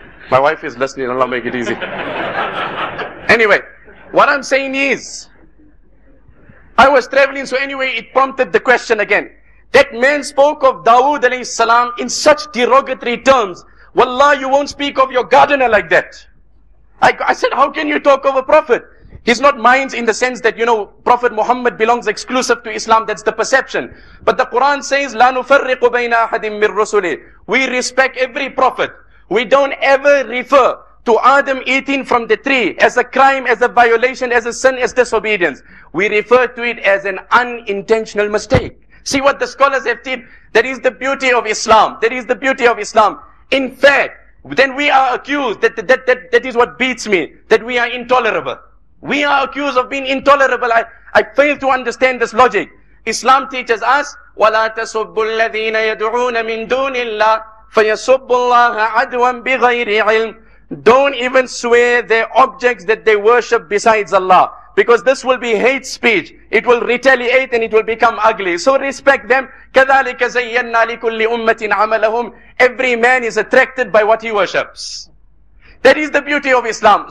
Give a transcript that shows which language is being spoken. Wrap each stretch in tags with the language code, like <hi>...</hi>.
<en>My wife is listening. Allah make it easy. Anyway, what I'm saying is, I was traveling, so anyway, it prompted the question again. That man spoke of Dawood alayhi salam in such derogatory terms. Wallah, you won't speak of your gardener like that. I said, how can you talk of a prophet? He's not mine in the sense that, you know, Prophet Muhammad belongs exclusive to Islam. That's the perception. But the Quran says,</en> <ar>لَا نُفَرِّقُ بَيْنَ أَحَدٍ مِّن رُسُلِهِ.</ar> <en>We respect every prophet. We don't ever refer to Adam eating from the tree as a crime, as a violation, as a sin, as disobedience. We refer to it as an unintentional mistake. See what the scholars have did? That is the beauty of Islam. That is the beauty of Islam. In fact, then we are accused that is what beats me, that we are intolerable. We are accused of being intolerable. I fail to understand this logic. Islam teaches us,</en> <ar>وَلَا تَسُبُّ الَّذِينَ يَدْعُونَ مِن دُونِ اللَّهِ فَيَسُبُّ اللَّهَ عَدْوًا بِغَيْرِ عِلْمٍ.</ar> <en>Don't even swear the objects that they worship besides Allah. Because this will be hate speech. It will retaliate and it will become ugly. So respect them.</en> <ar>كَذَلِكَ زَيَّنَّا لِكُلِّ أُمَّةٍ عَمَلَهُمْ.</ar> <en>Every man is attracted by what he worships. That is the beauty of Islam.</en>